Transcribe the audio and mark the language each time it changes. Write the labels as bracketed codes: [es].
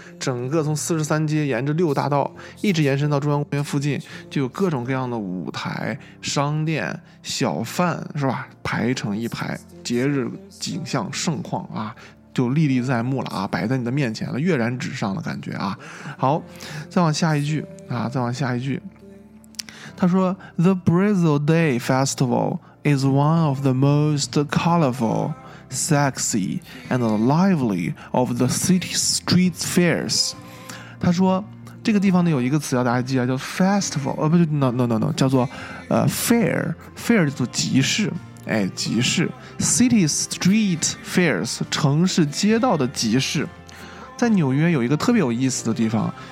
[zh] 整个从43街沿着六大道一直延伸到中央公园附近，就有各种各样的舞台、商店、小贩，是吧？排成一排，节日景象盛况啊，就历历在目了啊，摆在你的面前了，跃然纸上的感觉啊。好，再往下一句啊，再往下一句，他说 [en] The Brazil Day Festival is one of the most colorfulsexy and lively of the city street fairs. [zh] 他说这个地方呢有一个词要大家记啊，叫 festival， 叫做fair， fair 叫做集市，集市， [en] city street fairs， [zh] 城市街道的集市。在纽约有一个特别有意思的地方，